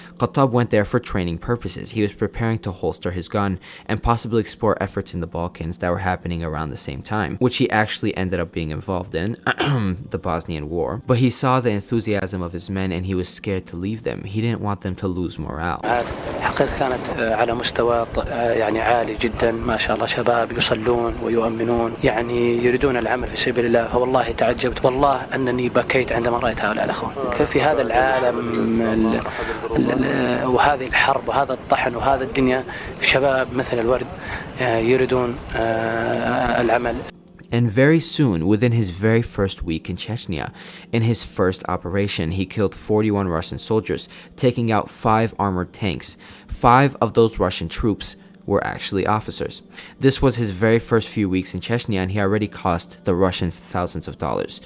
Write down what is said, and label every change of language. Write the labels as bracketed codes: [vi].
[en] Khattab went there for training purposes. He was preparing to holster his gun and possibly explore efforts in the Balkans that were happening around the same time, which he actually ended up being involved in, the Bosnian War. But he saw the enthusiasm of his men and he was scared to leave them. He didn't want them to lose morale. [ar] حقيقة كانت على مستوى يعني عالي جدا ما شاء الله شباب يصلون ويؤمنون يعني يريدون العمل في سبيل الله فوالله تعجبت والله أنني بكيت عندما رأيت هؤلاء الأخوة في هذا العالم وهذه الحرب وهذا الطحن وهذا الدنيا شباب مثل الورد يريدون العمل. [en] And very soon, within his very first week in Chechnya, in his first operation, he killed 41 Russian soldiers, taking out 5 armored tanks. 5 of those Russian troops were actually officers. This was his very first few weeks in Chechnya, and he already cost the Russians thousands of dollars.